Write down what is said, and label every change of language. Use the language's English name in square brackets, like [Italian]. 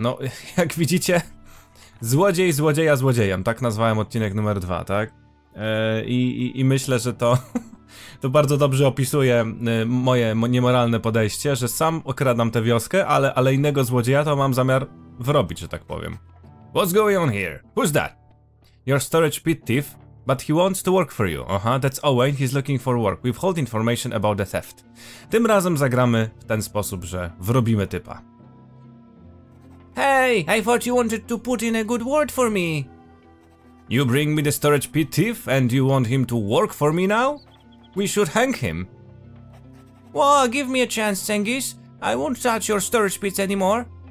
[Polish] No, jak widzicie... Złodziej złodzieja złodziejem, tak nazwałem odcinek numer 2, tak? I myślę, że to bardzo dobrze opisuje moje niemoralne podejście, że sam okradam tę wioskę, ale innego złodzieja to mam zamiar wrobić, że tak powiem. [English] What's going on here? Who's that? Your storage pit thief, but he wants to work for you. Aha, that's Owain, he's looking for work. We've hold information about the theft. [Polish] Tym razem zagramy w ten sposób, że wrobimy typa. [English] Hey, I thought you wanted to put in a good word for me. You bring me the storage pit thief and you want him to work for me now? We should hang him. Well, give me a chance, Cengiz. I won't touch your storage pits anymore.